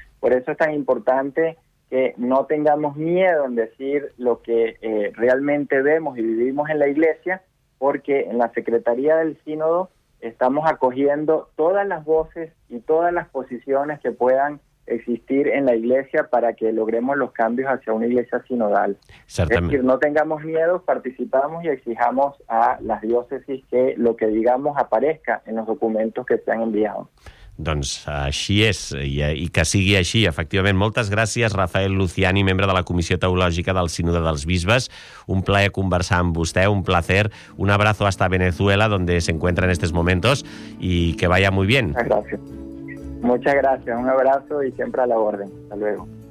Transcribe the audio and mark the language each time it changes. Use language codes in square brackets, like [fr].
[es] Por eso es tan importante que no tengamos miedo en decir lo que realmente vemos y vivimos en la iglesia, porque en la Secretaría del Sínodo estamos acogiendo todas las voces y todas las posiciones que puedan existir en la iglesia para que logremos los cambios hacia una iglesia sinodal. [ca] Certamente. [es] Es decir, no tengamos miedo, participamos y exijamos a las diócesis que lo que digamos aparezca en los documentos que se han enviado. [ca] Doncs així és, i que sigui així, efectivament. Moltes gràcies, Rafael Luciani, membre de la Comissió Teològica del Sínode dels Bisbes. Un plaer conversar amb vostè, [es] un placer. Un abrazo hasta Venezuela, donde se encuentra en estos momentos, y que vaya muy bien. Gracias. Muchas gracias, un abrazo y siempre a la orden. Hasta luego.